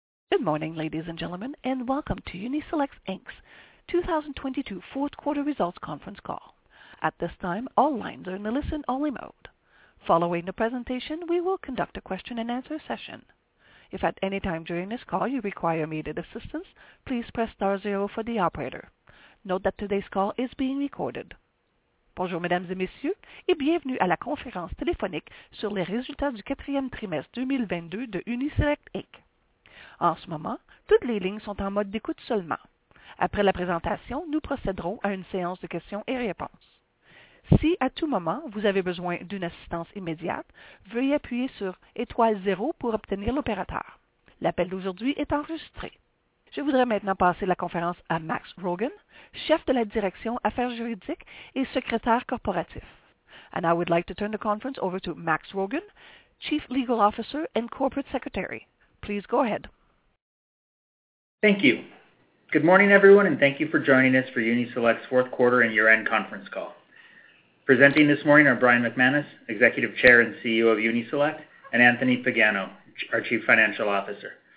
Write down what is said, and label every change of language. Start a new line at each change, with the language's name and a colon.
English: Good morning, ladies and gentlemen, and welcome to Uni-Select Inc.'s 2022 fourth quarter results conference call. At this time, all lines are in the listen-only mode. Following the presentation, we will conduct a question-and-answer session. If at any time during this call you require immediate assistance, please press star zero for the operator. Note that today's call is being recorded.
French: Bonjour, mesdames et messieurs, et bienvenue à la conférence téléphonique sur les résultats du quatrième trimestre 2022 de Uni-Select Inc. En ce moment, toutes les lignes sont en mode d'écoute seulement. Après la présentation, nous procéderons à une séance de questions et réponses. Si, à tout moment, vous avez besoin d'une assistance immédiate, veuillez appuyer sur étoile 0 pour obtenir l'opérateur. L'appel d'aujourd'hui est enregistré. Je voudrais maintenant passer la conférence à Max Rogan, chef de la direction affaires juridiques et secrétaire corporatif.
English: And I would like to turn the conference over to Max Rogan, Chief Legal Officer and Corporate Secretary. Please go ahead. Thank you. Good morning, everyone, and thank you for joining us for Uni-Select's fourth quarter and year-end conference call. Presenting this morning are Brian McManus, Executive Chair and CEO of Uni-Select, and Anthony Pagano, our Chief Financial Officer.